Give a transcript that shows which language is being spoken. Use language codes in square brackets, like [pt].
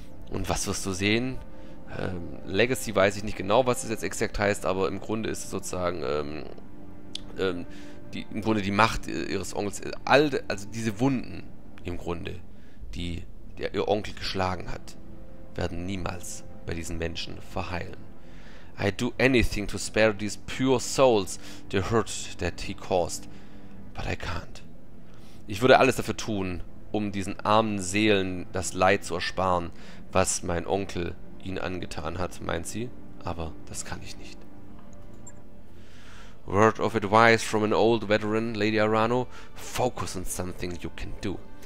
[de] Und was wirst du sehen? Legacy weiß ich nicht genau, was es jetzt exakt heißt, aber im Grunde ist es sozusagen die Macht ihres Onkels. Also diese Wunden im Grunde, die ihr Onkel geschlagen hat, werden niemals bei diesen Menschen verheilen. [en] I'd do anything to spare these pure souls the hurt that he caused, but I can't. [de] Ich würde alles dafür tun, um diesen armen Seelen das Leid zu ersparen, was mein Onkel ihnen angetan hat, meint sie, aber das kann ich nicht. [en] Word of advice from an old veteran, Lady Arano, focus on something you can do.